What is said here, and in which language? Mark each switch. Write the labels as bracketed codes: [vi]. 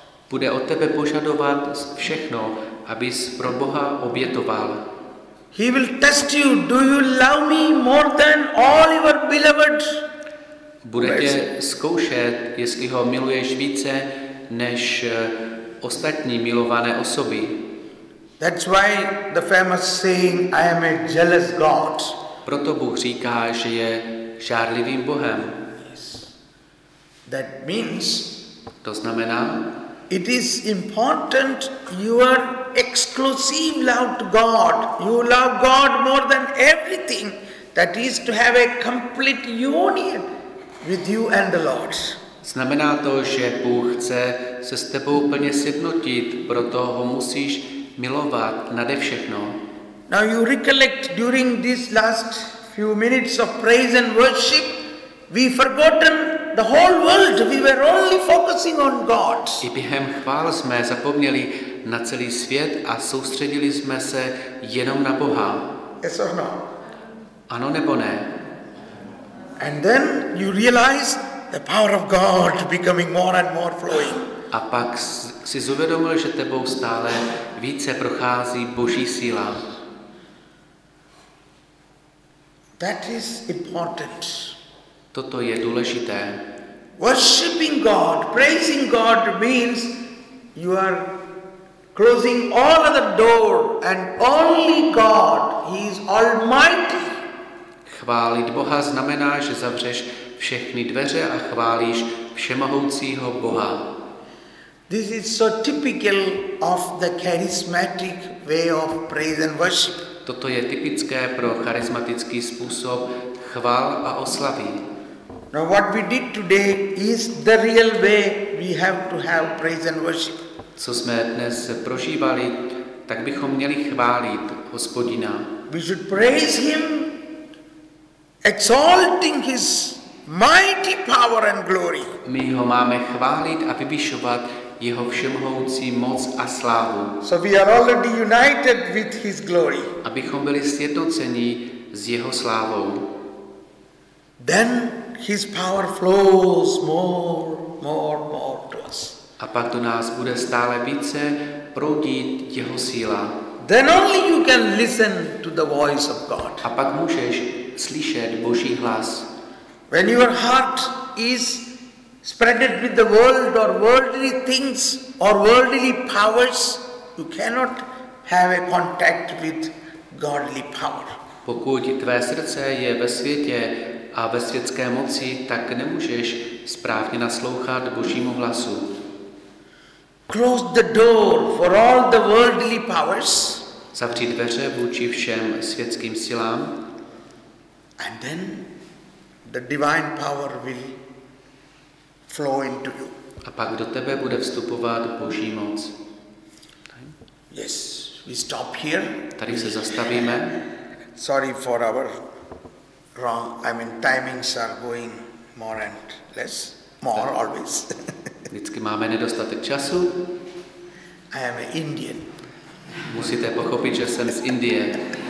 [cs] Bude od tebe požadovat všechno, abys pro Boha obětoval. [en] He will test you, do you love me more than all your beloved? [cs] Bude tě zkoušet, jestli ho miluješ více než ostatní milované osoby. [en] That's why the famous saying, I am a jealous God. [cs] Proto Bůh říká, že je žárlivým Bohem. [en] Yes. That means, [cs] to znamená, [en] it is important your exclusive love to God. You love God more than everything. That is to have a complete union with you and the Lord. [cs] Znamená to, že Bůh chce se s tebou plně sjednotit, proto ho musíš milovat nade všechno. [en] Now you recollect during this last few minutes of praise and worship, we forgotten the whole world. We were only focusing on God. [cs] I během chvál jsme zapomněli na celý svět a soustředili jsme se jenom na Boha. [en] Yes or no? [cs] Ano nebo ne? [en] And then you realize the power of God becoming more and more flowing. [cs] A pak si zuvědomil, že tebou stále více prochází Boží síla. [en] That is important. [cs] Toto je důležité. [en] Worshiping God, praising God means you are closing all other door and only God, He is Almighty. [cs] Chválit Boha znamená, že zavřeš všechny dveře a chválíš všemohoucího Boha. [en] This is so typical of the charismatic way of praise and worship. [cs] Toto je typické pro charismatický způsob chvál a oslavy. [en] Now what we did today is the real way we have to have praise and worship. [cs] Co jsme dnes prožívali, tak bychom měli chválit Hospodina. [en] We should praise him, exalting his mighty power and glory. [cs] My ho máme chválit a vyvyšovat jeho všemohoucí moc a slávu. [en] So we are already united with his glory. [cs] Abychom byli sjednoceni s jeho slávou. [en] Then his power flows more to us. [cs] A pak do nás bude stále více proudit jeho síla. [en] Then only you can listen to the voice of God. [cs] A pak můžeš slyšet Boží hlas. [en] When your heart is spreaded with the world or worldly things or worldly powers, you cannot have a contact with godly power. [cs] Pokud tvé srdce je ve světě a ve světské moci, tak nemůžeš správně naslouchat Božímu hlasu. [en] Close the door for all the worldly powers. [cs] Zavři dveře vůči všem světským silám. [en] And then the divine power will flow into you. [cs] A pak do tebe bude vstupovat Boží moc. [en] Yes, we stop here. [cs] Tady se zastavíme. [en] Sorry for our wrong. I mean timings are going more and less, more always. [cs] Vždycky máme nedostatek času. [en] I am an Indian. [cs] Musíte pochopit, že jsem z Indie.